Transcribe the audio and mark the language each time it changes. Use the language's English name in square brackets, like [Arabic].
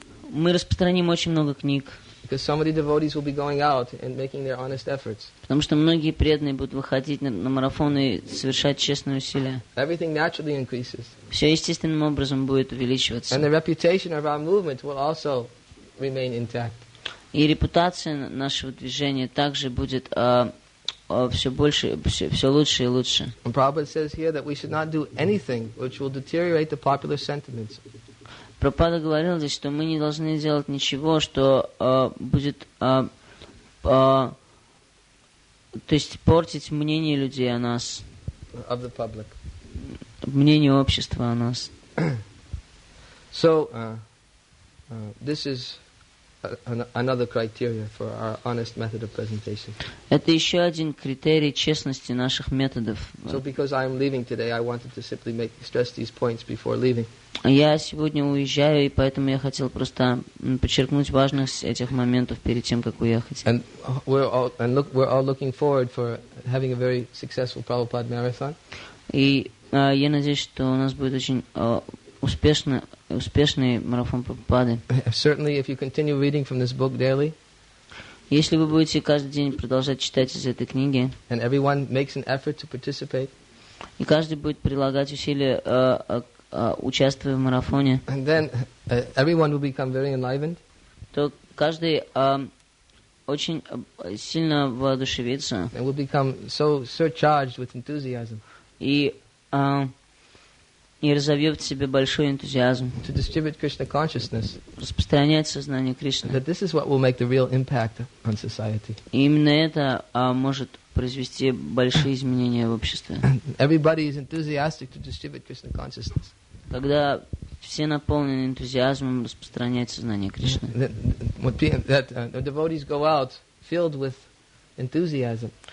[Russian] Мы распространим очень много книг. [English] Because so many devotees will be going out and making their honest efforts. [Russian] Потому что многие преданные будут выходить на марафон и совершать честные усилия. [English] Everything naturally increases. [Russian] Все естественным образом будет увеличиваться. [English] And the reputation of our movement will also remain intact. [Russian] И репутация нашего движения также будет все больше, все лучше и лучше. [English] And Prabhupada says here that we should not do anything which will deteriorate the popular sentiments. [Russian] Прабхупада говорил здесь, что мы не должны делать ничего, что будет то есть портить мнение людей о нас. [English] Of the public. [Russian] Мнение общества о нас. [English] So, this is another criteria for our honest method of presentation. [Russian] Это еще один критерий честности наших методов. [English] So, because I'm leaving today, I wanted to simply make stress these points before leaving. [Russian] Я сегодня уезжаю, и поэтому я хотел просто подчеркнуть важность этих моментов перед тем, как уехать. [English] And we're all looking forward for having a very successful Prabhupada marathon. [Russian] И я надеюсь, что у нас будет очень успешный марафон Прабхупады. [English] Certainly, if you continue reading from this book daily. [Russian] Если вы будете каждый день продолжать читать из этой книги. [English] And everyone makes an effort to participate. [Russian] И каждый будет прилагать усилия. Участвуя в марафоне, [English] and then, everyone will become very enlivened. [Russian] То каждый очень сильно воодушевится. [English] And will become so surcharged with enthusiasm. [Russian] И разовьет в себе большой энтузиазм. [English] To distribute Krishna consciousness. [Russian] Распространять сознание Кришны. [English] That this is what will make the real impact on society. [Russian] И именно это может произвести большие изменения в обществе. [English] Everybody is enthusiastic to distribute Krishna consciousness. [Russian] Когда все наполнены энтузиазмом распространять сознание Кришны. [English] The devotees go out filled with enthusiasm.